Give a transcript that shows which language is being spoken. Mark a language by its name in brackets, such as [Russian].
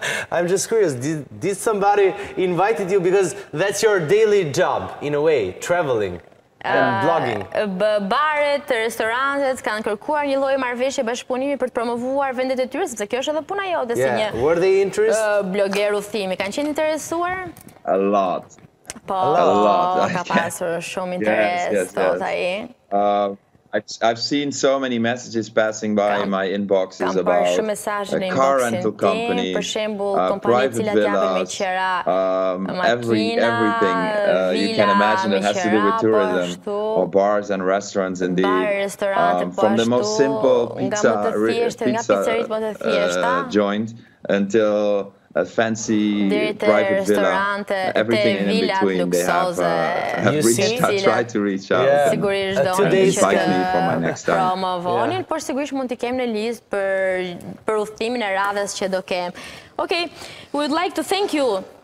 [English] I'm just curious, did somebody invited you? Because that's your daily job, in a way, traveling and blogging. [Albanian] Baret, restaurantet kanë kërkuar një lloj marrëveshje bashkëpunimi për të promovuar vendet e tyre, sepse kjo është edhe puna jote si një [English] were they interested? [Albanian] Blogger udhëtimi, kanë qenë interesuar? [English] A lot. [Albanian] Po, [English] a lot. [Albanian] Ka pasur shumë interes, thot ai. [English] I've seen so many messages passing by in my inboxes about car rental company, private villas, everything you can imagine that has to do with tourism, or bars and restaurants indeed, from the most simple pizza joint until a fancy private villa, everything in between, they have tried to reach out and invite me for my next time. [Albanian] Promo vonin, por sigurisht mund t'i kem në listë për udhëtimin e radhës që do kem. [English] Okay, we would like to thank you.